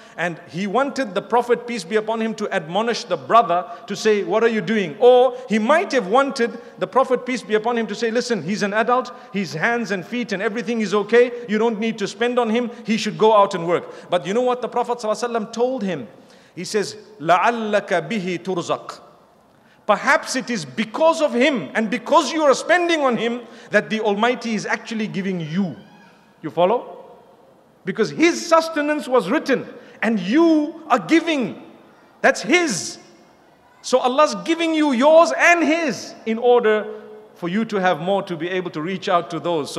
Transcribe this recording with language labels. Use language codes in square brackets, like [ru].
[en] And he wanted the Prophet, peace be upon him, to admonish the brother to say, what are you doing? Or he might have wanted the Prophet, peace be upon him, to say, listen, he's an adult, his hands and feet and everything is okay. You don't need to spend on him. He should go out and work. But you know what the Prophet ﷺ told him? He says, [ar] لَعَلَّكَ بِهِ تُرْزَقْ. [en] Perhaps it is because of him and because you are spending on him that the Almighty is actually giving you. You follow? Because his sustenance was written and you are giving. That's his. So Allah's giving you yours and his in order for you to have more, to be able to reach out to those.